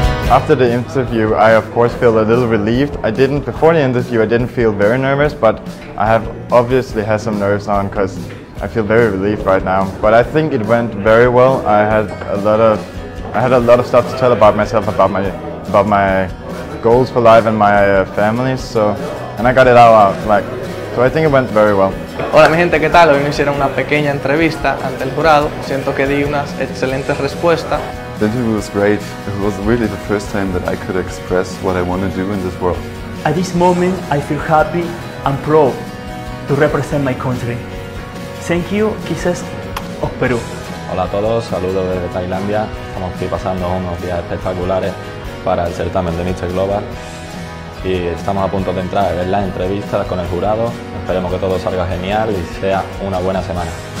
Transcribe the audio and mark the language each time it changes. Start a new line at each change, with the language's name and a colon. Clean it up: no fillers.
English: After the interview, I of course feel a little relieved. Before the interview, I didn't feel very nervous, but I have obviously had some nerves on because I feel very relieved right now. But I think it went very well. I had a lot of stuff to tell about myself, about my goals for life and my family. So I got it all out. So I think it went very well.
Spanish: Hola mi gente, ¿qué tal? Hoy me hicieron una pequeña entrevista ante el jurado. Siento que di unas excelentes respuestas.
English: The interview was great. It was really the first time that I could express what I want to do in this world. At this moment, I feel happy and proud to represent my country. Thank you, kisses of Peru.
Spanish: Hola a todos, saludos desde Tailandia. Estamos aquí pasando unos días espectaculares para el certamen de Mr. Global. Y estamos a punto de entrar en la entrevista con el jurado. Esperemos que todo salga genial y sea una buena semana.